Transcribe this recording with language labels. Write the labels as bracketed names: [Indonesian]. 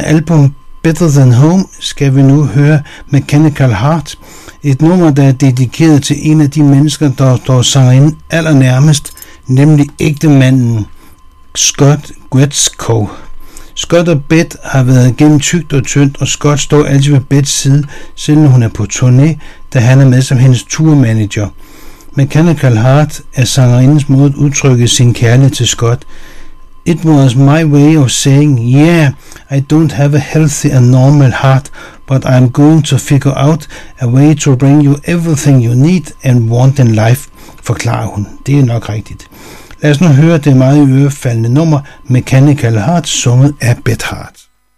[Danish] album Better Than Home skal vi nu høre Mechanical Heart, et nummer, der er dedikeret til en af de mennesker, der står sangerinde allernærmest, nemlig ægtemanden Scott Gretzko. Scott og Beth har været gennem tykt og tyndt, og Scott står altid ved Beths side, selv når hun er på turné, da han er med som hendes tourmanager. Mechanical Heart er sangerindens måde at udtrykke sin kærlighed til Scott. [English] It was my way of saying, yeah, I don't have a healthy and normal heart, but I'm going to figure out a way to bring you everything you need and want in life, [Danish] forklarer hun. Det er nok rigtigt. Lad os nu høre det meget ørefaldende nummer Mechanical Heart, sunget af Beth Hart.